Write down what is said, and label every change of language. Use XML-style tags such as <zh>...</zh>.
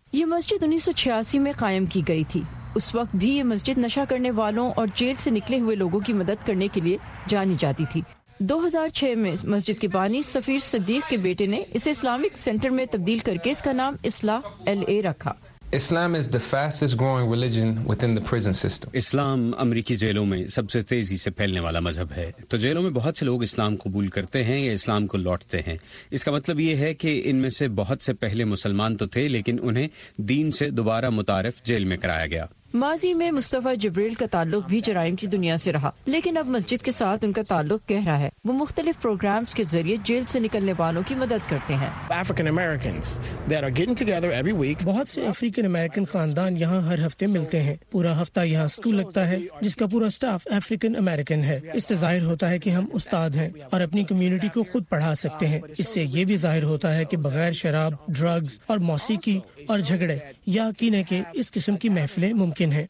<ur>یہ مسجد 1986 میں قائم کی گئی تھی. اس وقت بھی یہ مسجد نشہ کرنے والوں اور جیل سے نکلے ہوئے لوگوں کی مدد کرنے کے لیے جانی جاتی تھی. 2006 میں مسجد کے بانی سفیر صدیق کے بیٹے نے اسے اسلامک سینٹر میں تبدیل کر کے اس کا نام اصلاح ایل اے رکھا.</ur> <en>Islam is the fastest growing religion within the prison system.</en> <ur>Islam امریکی جیلوں میں سب سے تیزی سے پھیلنے والا مذہب ہے، تو جیلوں میں بہت سے لوگ اسلام قبول کرتے ہیں یا اسلام کو لوٹتے ہیں. اس کا مطلب یہ ہے کہ ان میں سے بہت سے پہلے مسلمان تو تھے، لیکن انہیں دین سے دوبارہ متعارف جیل میں کرایا گیا. ماضی میں مصطفیٰ جبریل کا تعلق بھی جرائم کی دنیا سے رہا، لیکن اب مسجد کے ساتھ ان کا تعلق گہرا ہے. وہ مختلف پروگرامز کے ذریعے جیل سے نکلنے والوں کی مدد کرتے ہیں.</ur> <en>African Americans that are getting together every week.</en> <ur>بہت سے افریقن امریکن خاندان یہاں ہر ہفتے ملتے ہیں. پورا ہفتہ یہاں سکول لگتا ہے جس کا پورا سٹاف افریقن امریکن ہے. اس سے ظاہر ہوتا ہے کہ ہم استاد ہیں اور اپنی کمیونٹی کو خود پڑھا سکتے ہیں. اس سے یہ بھی ظاہر ہوتا ہے کہ بغیر شراب، ڈرگز اور موسیقی اور جھگڑے یا کینے کے اس قسم کی محفلیں ممکن.</ur>